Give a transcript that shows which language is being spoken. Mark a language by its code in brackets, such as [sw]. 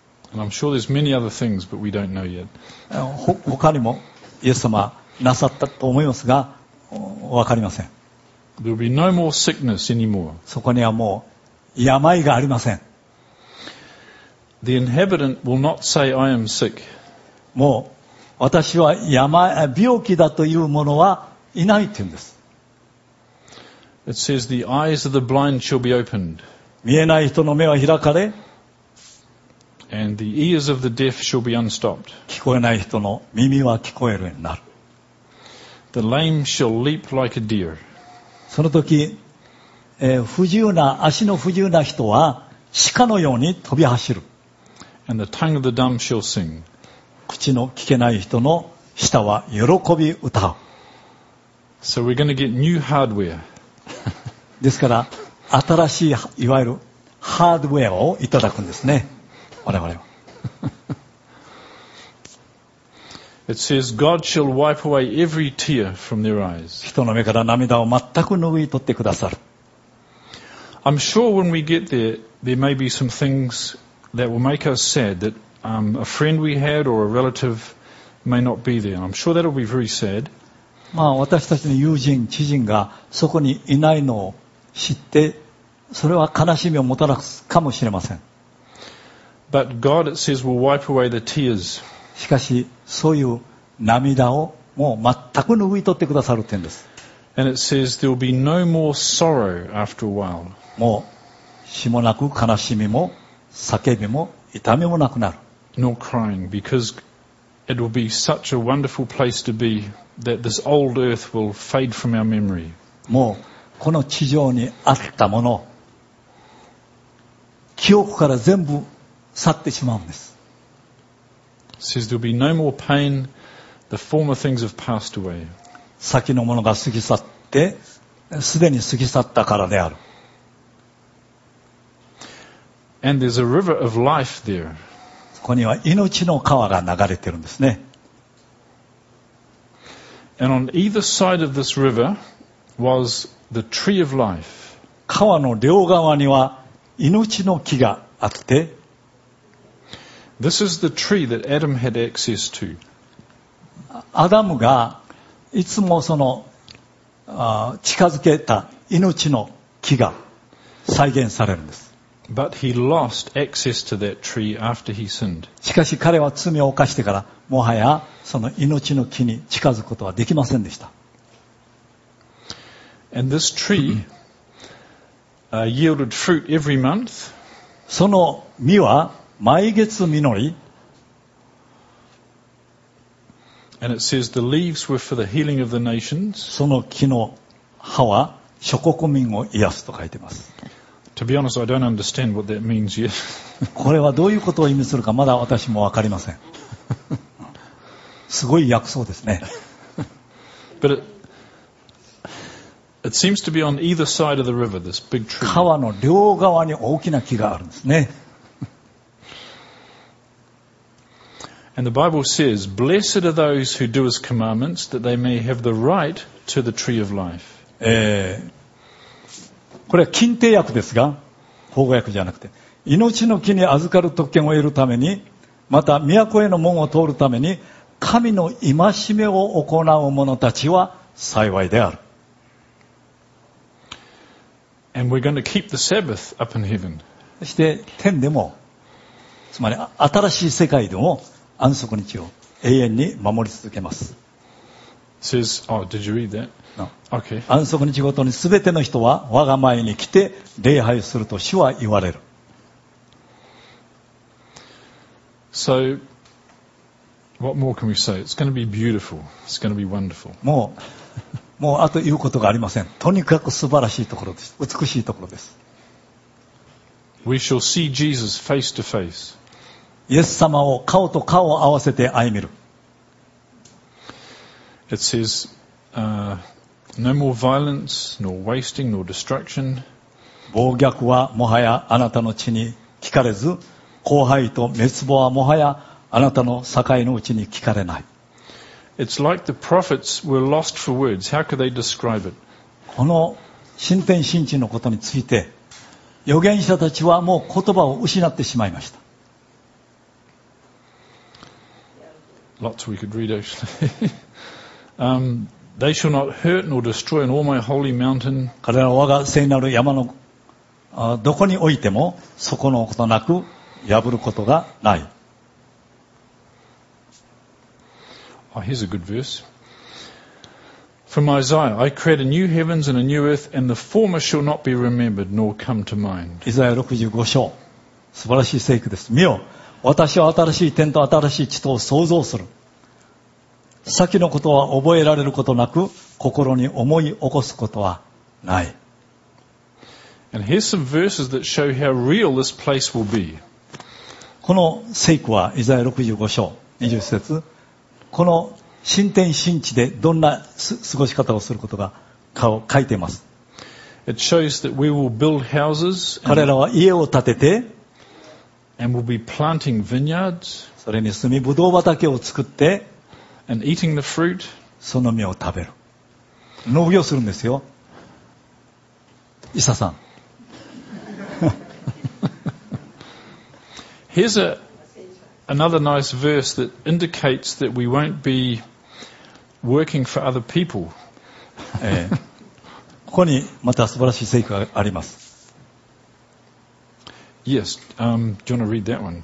[en] And I'm sure there's many other things, but we don't know yet. [ja] 他にもイエス様なさったと思いますが、わかりません。 [en] There'll be no more sickness anymore. [ja] そこにはもう病がありません。 [en] The inhabitant will not say, I am sick. [ja] もう私は病気だというものはいないって言うんです。 [en] It says, the eyes of the blind shall be opened. [ja] 見えない人の目は開かれ。 [en] And the ears of the deaf shall be unstopped. [ja] 聞こえない人の耳は聞こえるようになる。 [en] The lame shall leap like a deer. [ja] その時、不自由な、足の不自由な人は鹿のように飛び走る。 [en] And the tongue of the dumb shall sing. [ja] 口の聞けない人の舌は喜び歌う。 [en] So we're going to get new hardware. [ja] ですから新しいいわゆるハードウェアをいただくんですね。我々は。 [en] It says God shall wipe away every tear from their eyes. [ja] 人の目から涙を全く拭い取ってくださる。 [en] I'm sure when we get there, there may be some things. That will make us sad that a friend we had or a relative may not be there. I'm sure that will be very sad. [ja] まあ私たちの友人、知人がそこにいないのを知って、それは悲しみをもたらすかもしれません。 [en] But God, it says, will wipe away the tears. [ja] しかし、そういう涙をもう全く拭い取ってくださるって言うんです。 [en] And it says, there will be no more sorrow after a while. [ja] もう、しもなく悲しみも叫びも痛みもなくなる。 [en] No crying, because it will be such a wonderful place to be that this old earth will fade from our memory. [ja] もうこの地上にあったもの、記憶から全部去ってしまうんです。 [en] Says there will be no more pain, the former things have passed away. [ja] 先のものが過ぎ去って、すでに過ぎ去ったからである。 [en] And there's a river of life there. [ja] そこには命の川が流れてるんですね。 [en] And on either side of this river was the tree of life. [ja] 川の両側には命の木があって。 [en] This is the tree that Adam had access to. [ja] アダムがいつもその近づけた命の木が再現されるんです。 [en] But he lost access to that tree after he sinned. [ja] しかし彼は罪を犯してからもはやその命の木に近づくことはできませんでした。 [en] And this tree yielded fruit every month. [ja] その実は毎月実り。 [en] And it says the leaves were for the healing of the nations. [ja] その木の葉は諸国民を癒すと書いてます。 [en] To be honest, I don't understand what that means yet. [ja] これはどういうことを意味するかまだ私もわかりません。すごい薬草ですね。 [en] But it seems to be on either side of the river, this big tree. [ja] 川の両側に大きな木があるんですね。 [en] And the Bible says, "Blessed are those who do His commandments, that they may have the right to the tree of life." [ja] これは禁定訳ですが、法語訳じゃなくて、命の木に預かる特権を得るために、また都への門を通るために、神の戒めを行う者たちは幸いである。 [en] And we're going to keep the Sabbath up in heaven. [ja] そして天でも、つまり新しい世界でも安息日を永遠に守り続けます。 [en] Says, oh, did you read that? No. Okay. [ja] 安息日ごとに全ての人は我が前に来て礼拝すると主は言われる。 [en] So, what more can we say? It's going to be beautiful. It's going to be wonderful. [ja] もうあと言うことがありません。とにかく素晴らしいところです。美しいところです。 [en] We shall see Jesus face to face. [ja] イエス様を顔と顔を合わせて歩める。 [en] It says, no more violence, nor wasting, nor destruction. [ja] 暴虐はもはやあなたの地に聞かれず、荒廃と滅亡はもはやあなたの境のうちに聞かれない。 [en] It's like the prophets were lost for words. How could they describe it? [ja] この新天新地のことについて、預言者たちはもう言葉を失ってしまいました。 [en] Lots we could read actually. They shall not hurt nor destroy in all my holy mountain. [ja] 彼らは我が聖なる山のどこにおいても損のことなく破ることがない。 [en] Here's a good verse. From Isaiah, I create a new heavens and a new earth, and the former shall not be remembered nor come to mind. [ja] イザヤ65章、素晴らしい聖句です。見よ、私は新しい天と新しい地とを創造する。先のことは覚えられることなく、心に思い起こすことはない。 [en] And here's some verses that show how real this place will be. [ja] この聖句はイザヤ65章20節。この新天新地でどんな過ごし方をすることがかを書いています。 [en] It shows that we will build houses [ja] and 彼らは家を建てて [en] and we'll be planting vineyards [ja] それに住みぶどう畑を作って [en] and eating the fruit [ja] その実を食べる。農業するんですよ、イサさん。 [en] Here's aAnother nice verse that indicates that we won't be working for other people. [ja] ここにまた素晴らしい聖句があります。 [en] Yes, do you want to read that one?